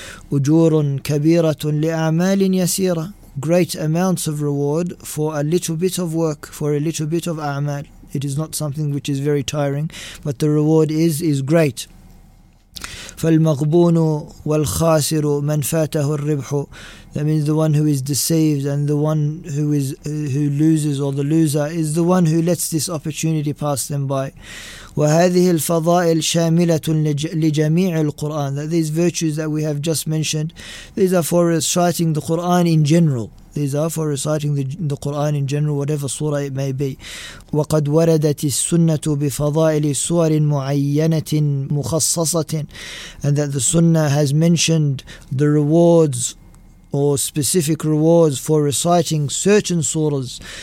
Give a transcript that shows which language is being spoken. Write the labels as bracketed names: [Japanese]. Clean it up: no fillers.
[Arabic] Ujurun kabiratun li'a'malin yasira. [English] Great amounts of reward for a little bit of work, for a little bit of a'mal. It is not something which is very tiring, but the reward is great. [Arabic] فالمغبون والخاسر من فاته الربح. [English] That means the one who is deceived and the one who loses, or the loser is the one who lets this opportunity pass them by. [Arabic] وهذه الفضائل شاملة لجميع القرآن. [English] That these virtues that we have just mentioned, these are for reciting the Quran in general. These are for reciting the Quran in general, whatever surah it may be. [Arabic] وَقَدْ وَرَدَتِ السُّنَّةُ بِفَضَائِلِ سُوَرٍ مُعَيَّنَةٍ مُخَصَّصَةٍ. [English] And that the sunnah has mentioned the rewards or specific rewards for reciting certain surahs.